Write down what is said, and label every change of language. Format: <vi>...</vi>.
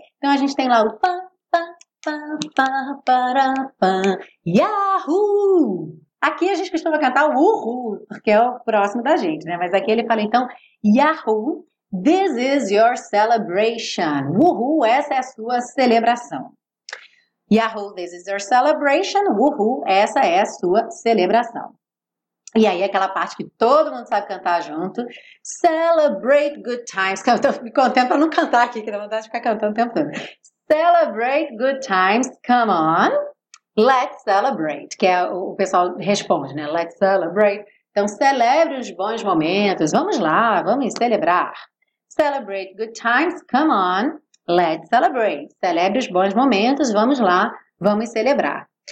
<pt>Então a gente tem lá o pam, pam, pam, pam, pam, pam, Yahoo! Aqui a gente costuma cantar o Uhul, porque é o próximo da gente, né? Mas aqui ele fala então,</pt> <en>Yahoo, this is your celebration.</en> <pt>Uhul, essa é a sua celebração.</pt> <en>Yahoo, this is your celebration.</en> <pt>Uhul, essa é a sua celebração. E aí aquela parte que todo mundo sabe cantar junto.</pt> <en>Celebrate good times.</en> <pt>Que eu tô me contendo pra não cantar aqui, que dá vontade de ficar cantando o tempo todo.</pt> <en>Celebrate good times, come on. Let's celebrate,</en> <pt>que é o pessoal responde, né? Let's celebrate. Então, celebre os bons momentos. Vamos lá, vamos celebrar.</pt> <en>Celebrate good times, come on. Let's celebrate.</en> <pt>Celebre os bons momentos. Vamos lá, vamos celebrar.</pt>